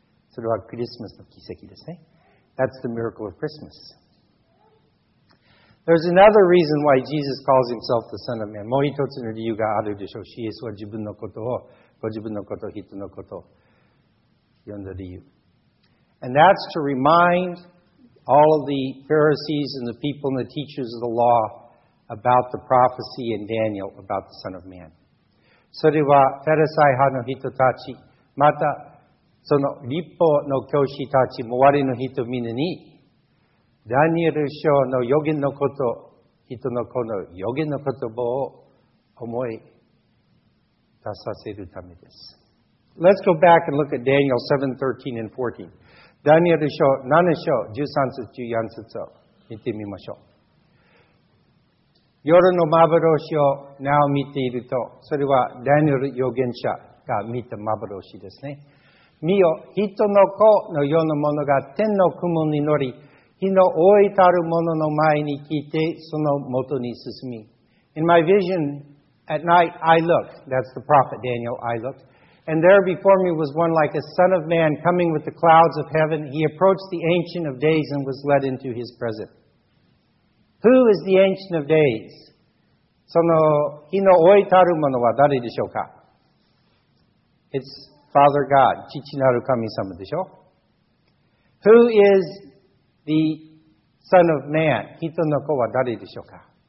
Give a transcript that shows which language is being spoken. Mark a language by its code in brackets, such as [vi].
[ja] それはクリスマスの奇跡ですね。 [en] That's the miracle of Christmas. There's another reason why Jesus calls himself the Son of Man. [ja] もう一つの理由があるでしょう。イエスは自分のことを、ご自分のこと、人のことを呼んだ理由。 [en] And that's to remind all of the Pharisees and the people and the teachers of the law about the prophecy in Daniel about the Son of Man. [ja] それは、ファリサイ派の人たち、また、その律法の教師たち、周りの人みんなに、ダニエル書の予言のこと、人の子の予言の言葉を思い出させるためです。 [en] Let's go back and look at Daniel 7:13 and 14. [ja] ダニエル書7章13節14節を見てみましょう。夜の幻をなお見ていると、それはダニエル預言者が見た幻ですね。見よ、人の子のようなものが天の雲に乗り、火の覆いたる者の前に来て、そのもとに進み。 [en] In my vision at night I looked, that's the prophet Daniel, I looked, and there before me was one like a son of man coming with the clouds of heaven. He approached the Ancient of Days and was led into his presence. Who is the Ancient of Days? [ja] その火の覆いたる者は誰でしょうか？ [en] It's Father God, [ja] 父なる神様でしょ。 [en] Who is the Son of Man? [ja] 人の子は誰でしょうか？